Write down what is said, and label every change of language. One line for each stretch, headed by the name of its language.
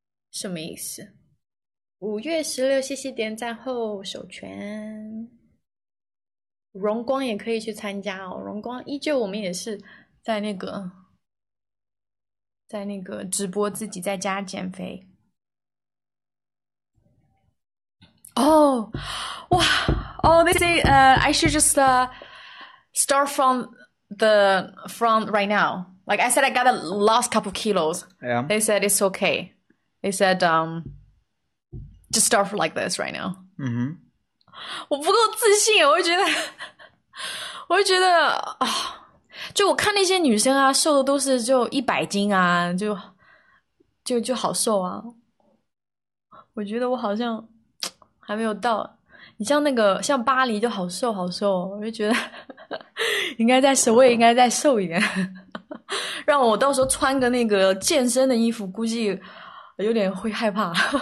Chinese: 什么意思？5月16，谢谢点赞后首权。荣光也可以去参加哦，荣光依旧我们也是在那个直播自己在家减肥。
English: 哦，哇，哦，this is I should just start from right now. Like I said, I got a lost couple of kilos. Yeah. They said it's okay. They said just start like this right now.
Chinese: 我不够自信，我就觉得就我看那些女生啊，瘦的都是就100斤啊，就好瘦啊。我觉得我好像还没有到。你像那个像巴黎就好瘦好瘦，我就觉得应该再瘦，我也应该再瘦一点，让我到时候穿个那个健身的衣服，估计有点会害怕。